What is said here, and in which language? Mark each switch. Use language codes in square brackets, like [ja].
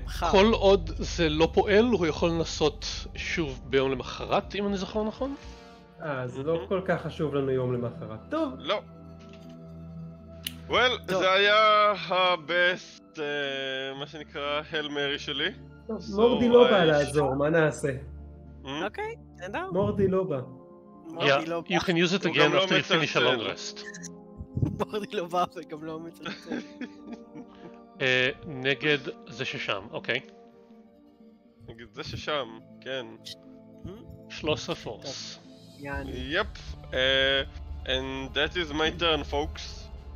[he] כל עוד זה לא פועל, הוא יכול לנסות שוב ביום למחרת, אם אני זוכר נכון? אז לא כל כך חשוב לנו יום למחרת. טוב. לא. וול, זה היה הבסט, מה שנקרא, הל מרי שלי. מורדי לא בא לעזור, מה נעשה? אוקיי, נדאו. מורדי לא בא. [en] Yeah, you can use it again after you finish a long rest. [he] מורדי לא בא, זה גם לא מצלצל. נגד זה ששם, אוקיי. נגד זה ששם, כן. שלוש הפורס. יאני. יפ. [en] And that is my turn, folks.